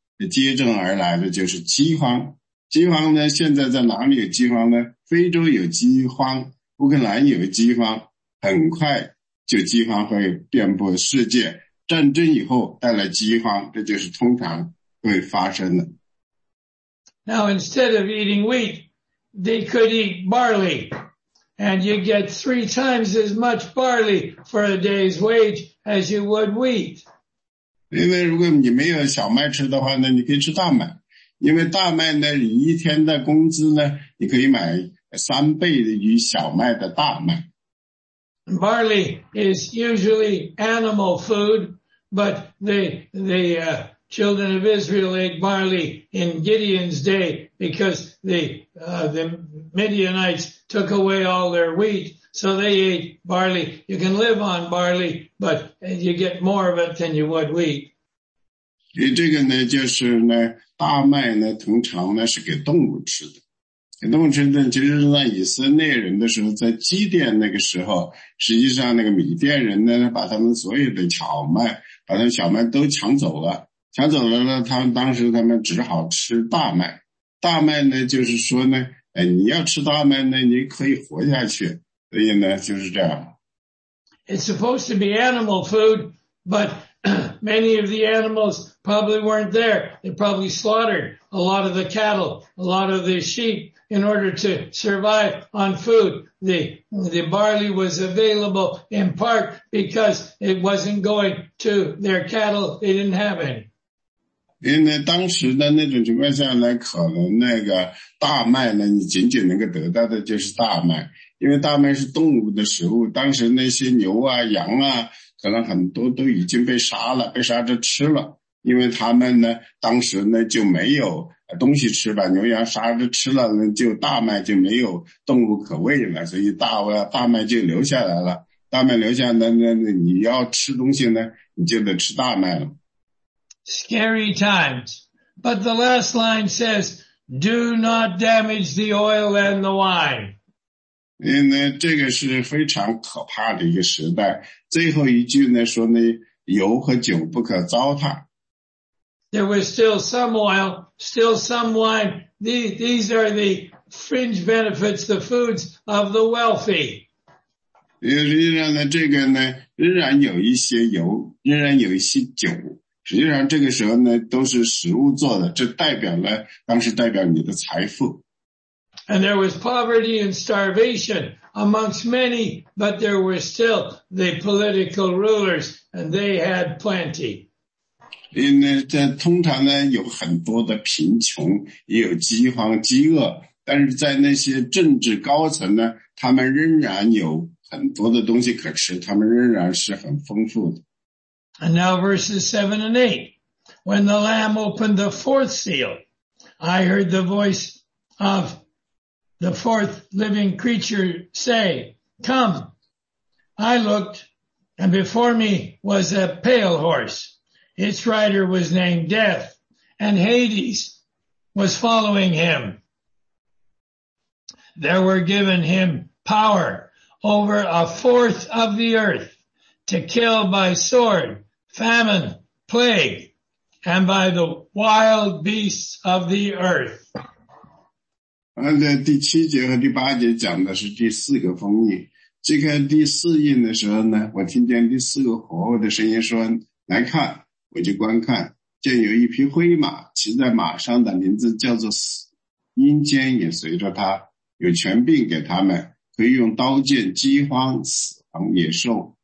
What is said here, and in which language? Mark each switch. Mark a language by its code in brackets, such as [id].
[zh] 接踵而来的就是饥荒。饥荒呢，现在在哪里有饥荒呢？非洲有饥荒，乌克兰有饥荒，很快就饥荒会遍布世界。战争以后带来饥荒，这就是通常会发生的。 [en] Now instead of eating wheat, they could eat barley. And you get three times as much barley for a day's wage as you would wheat. [zh] 因为如果你没有小麦吃的话呢，你可以吃大麦。因为大麦呢，你一天的工资呢，你可以买三倍于小麦的大麦。 [en] Barley is usually animal food, but the children of Israel ate barley in Gideon's day because the Midianites took away all their wheat, so they ate barley. You can live on barley, but you get more of it than you would wheat. [zh] 这个呢就是呢大麦呢通常呢是给动物吃的。给动物吃的其实是在以色列人的时候，在基甸那个时候，实际上那个米甸人呢把他们所有的小麦，把他们小麦都抢走了。抢走了呢，他们当时他们只好吃大麦。大麦呢就是说呢，哎，你要吃大麦呢你可以活下去。所以呢就是这样。 [en] It's supposed to be animal food, but many of the animals probably weren't there. They probably slaughtered a lot of the cattle, a lot of the sheep in order to survive on food. The barley was available in part because it wasn't going to their cattle. They didn't have any. [zh] 因为当时的那种情况下呢，可能那个大麦呢，你仅仅能够得到的就是大麦，因为大麦是动物的食物。当时那些牛啊、羊啊，可能很多都已经被杀了，被杀着吃了，因为他们呢，当时呢就没有东西吃，把牛羊杀着吃了，那就大麦就没有动物可喂了，所以大麦就留下来了。大麦留下来呢，那你要吃东西呢，你就得吃大麦了。 [en] Scary times. But the last line says, do not damage the oil and the wine. [zh] 因为呢这个是非常可怕的一个时代。最后一句呢说呢油和酒不可糟蹋。 [en] There was still some oil, still some wine. These are the fringe benefits, the foods of the wealthy. [zh] 因为实际上呢这个呢仍然有一些油仍然有一些酒。实际上这个时候呢都是食物做的，这代表了当时代表你的财富。 [en] And there was poverty and starvation amongst many, but there were still the political rulers and they had plenty. [zh] 因为这通常呢有很多的贫穷，也有饥荒饥饿，但是在那些政治高层呢，他们仍然有很多的东西可吃，他们仍然是很丰富的。 [en] And now verses 7 and 8. When the Lamb opened the fourth seal, I heard the voice of the fourth living creature say, Come. I looked, and before me was a pale horse. Its rider was named Death, and Hades was following him. There were given him power over a fourth of the earth to kill by sword. Famine, plague, and by the wild beasts of the earth. [zh] 第七节和第八节讲的是第四个封印。这个第四印的时候呢，我听见第四个活物的声音说，来看，我就观看，见有一匹灰马，骑在马上的名字叫做死，阴间也随着他，有权柄给他们，可以用刀剑饥荒、死亡、野兽。